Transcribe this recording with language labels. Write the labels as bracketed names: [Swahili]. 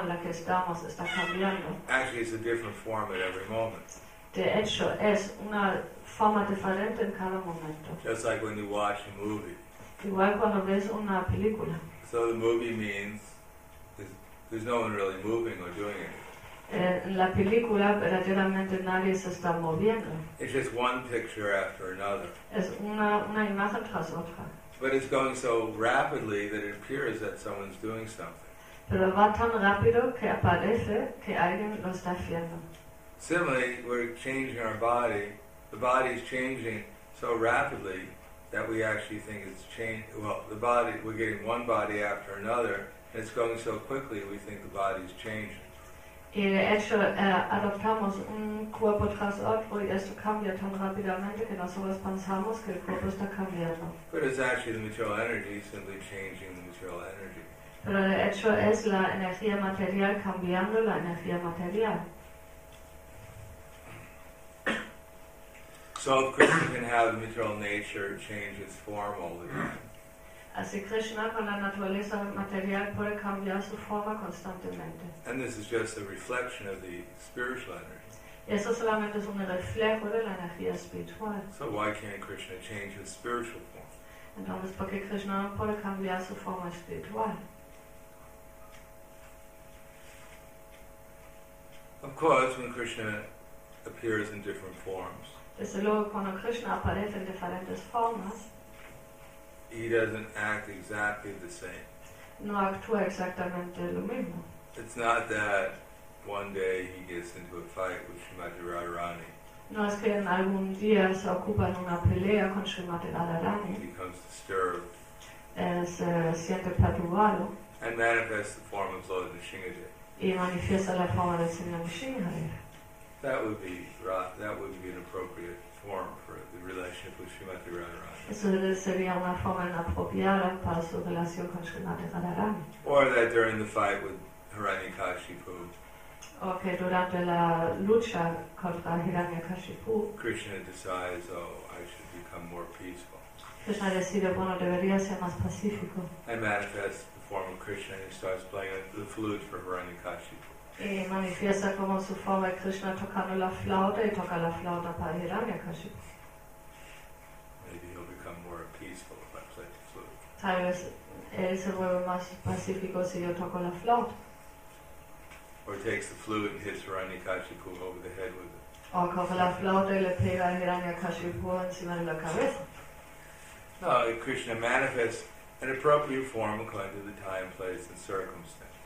[English] Actually, it's a different form at every moment. [Spanish] De hecho, es una forma diferente en cada momento. [English] Just like when you watch a movie. [Spanish] Igual cuando ves una película. [English] So the movie means there's no one really moving or doing anything. [Spanish] En la película, verdaderamente nadie se está moviendo. [English] It's just one picture after another. [Spanish] Es una imagen tras otra. [English] But it's going so rapidly that it appears that someone's doing something. [Spanish] Pero va tan rápido que aparece que alguien lo está haciendo. [English] Similarly, we're changing our body. The body is changing so rapidly that we actually think it's changed. Well, the body, we're getting one body after another, and it's going so quickly we think the body is changing. [Spanish] Y de hecho, adoptamos un cuerpo tras otro y esto cambia tan rápidamente que nosotros pensamos que el cuerpo está cambiando. [English] But it's actually the material energy simply changing the material energy. [Spanish] Pero de hecho es la energía material cambiando la energía material. [English] So if Krishna can have the material nature change its form all the time. [Spanish] Así Krishna con la naturaleza material puede cambiar su forma constantemente. [English] And this is just a reflection of the spiritual energy. [Spanish] Y eso solamente es un reflejo de la energía espiritual. [English] So why can't Krishna change his spiritual form? [Spanish] Entonces, ¿por qué Krishna no puede cambiar su forma espiritual? [English] Of course, when Krishna appears in different forms. [Spanish] Desde luego, cuando Krishna aparece en diferentes formas. [English] He doesn't act exactly the same. [Spanish] No actúa exactamente lo mismo. [English] It's not that one day he gets into a fight with Srimati Radharani. [Spanish] No es que en algún día se ocupa en una pelea con Srimati Radharani. [English] He becomes disturbed. [Spanish] Se siente perturbado. [English] And manifests the form of Lord Nrisimhadev. [Spanish] Y manifiesta la forma de Señor Nrisimhadev. [English] That would be inappropriate. Form for the relationship with Srimati Radharani. Or that during the fight with Hiranyakashipu. [Spanish] Okay, durante la lucha contra Hiranyakashipu. [English] Krishna decides, oh, I should become more peaceful. [Spanish] Krishna decide, bueno, debería ser más pacífico. [English] And manifests the form of Krishna and starts playing the flute for Hiranyakashipu. [Spanish] Y manifiesta como su forma de Krishna tocando la flauta y toca la flauta para Hiranyakashipu. [English] Maybe he'll become more peaceful if I play the flute. [Spanish] Tal vez él se vuelve más pacífico si yo toco la flauta. [English] Or takes the flute and hits Hiranyakashipu over the head with it. [Spanish] O coge la flauta y le pega a Hiranyakashipu encima de la cabeza. [English] No, Krishna manifests an appropriate form according to the time, place, and circumstance.